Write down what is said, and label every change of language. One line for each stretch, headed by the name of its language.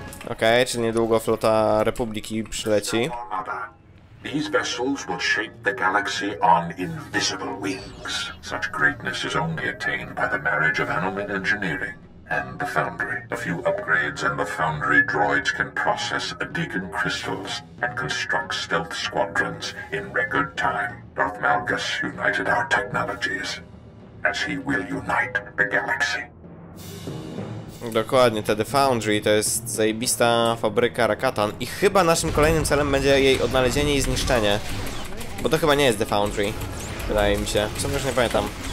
Polish: Okej, czyli niedługo flota Republiki przyleci.
English: These vessels will shape the galaxy on invisible wings. Such greatness is only attained by the marriage of Anomin Engineering and the Foundry. A few upgrades and the Foundry droids can process Adigan crystals and construct stealth squadrons in record time. Darth Malgus united our technologies, as he will unite the galaxy.
Polish: Dokładnie, The Foundry to jest zajebista fabryka Rakatan i chyba naszym kolejnym celem będzie jej odnalezienie i zniszczenie. Bo to chyba nie jest The Foundry, wydaje mi się. W sumie już nie pamiętam.